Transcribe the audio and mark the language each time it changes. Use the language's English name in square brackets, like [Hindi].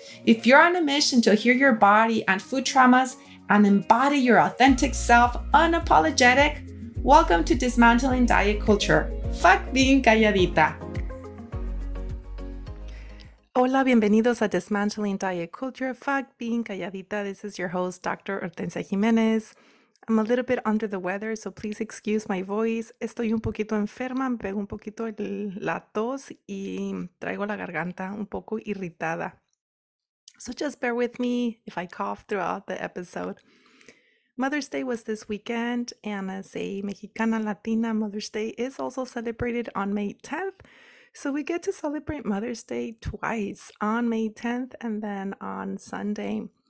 [English] If you're on a mission to heal your body and food traumas and embody your authentic self unapologetic, welcome to Dismantling Diet Culture. Fuck being calladita. [Spanish] Hola, bienvenidos a [English] Dismantling Diet Culture. Fuck being calladita. This is your host, Dr. Hortensia Jimenez. I'm a little bit under the weather, so please excuse my voice. [Spanish] Estoy un poquito enferma, me pego un poquito la tos y traigo la garganta un poco irritada. [English] So just bear with me if I cough throughout the episode. Mother's Day was this weekend, and as a Mexicana Latina, Mother's Day is also celebrated on May 10th. So we get to celebrate Mother's Day twice, on May 10th and then on Sunday.